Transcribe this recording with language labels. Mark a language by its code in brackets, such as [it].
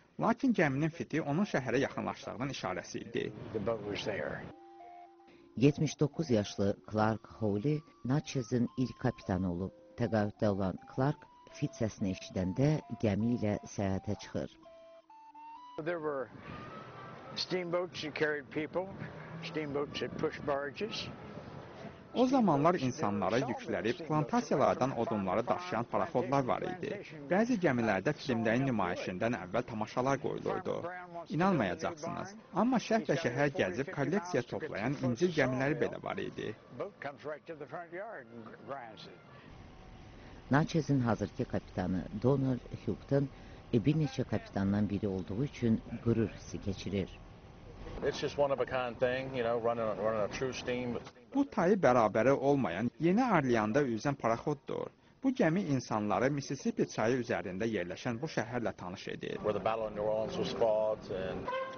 [az] Lakin gəminin fiti onun şəhərə yaxınlaşdığının işarəsi idi. 79 yaşlı Clark Hawley Natchez'in ilk kapitanı olub. Təqaüddə olan Clark fit səsini eşidəndə gəmi ilə səyahətə çıxır. [en] There were steamboats that carried people, steamboats that pushed barges. [az] O zamanlar insanlara yükləri plantasiyalardan odunları daşıyan paraxodlar var idi. Bəzi gəmilərdə filmlərin nümayişindən əvvəl tamaşalar qoyulurdu. İnanmayacaqsınız, amma şəhər şəhər gəzib kolleksiya toplayan incir gəmiləri belə var idi. Natchez'in hazırki kapitanı Donald Hughton bir neçə kapitandan biri olduğu üçün qürur hissi keçirir. [en] It's just one of a kind thing, you know, running a true steam. [az] Bu tayı bərabəri olmayan Yeni Arliyanda üzən paraxoddur. Bu gəmi insanları Mississippi çayı üzərində yerləşən bu şəhərlə tanış edir. [en] Where the Battle of New Orleans was fought and